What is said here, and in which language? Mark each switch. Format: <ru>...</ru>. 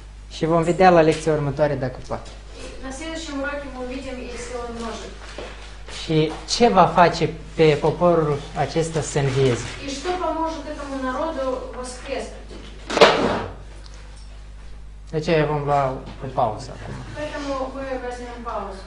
<ro>Și vom vedea la lecția următoare dacă poate.</ro> <ru>На следующем уроке мы увидим, если он может.</ru> <ro>Și ce va face pe poporul acesta să învieze?</ro> <ru>И что поможет этому народу воскреснуть?</ru> <ro>De ce vom lua o pauză acum?</ro> <ru>Поэтому мы возьмем паузу.</ru>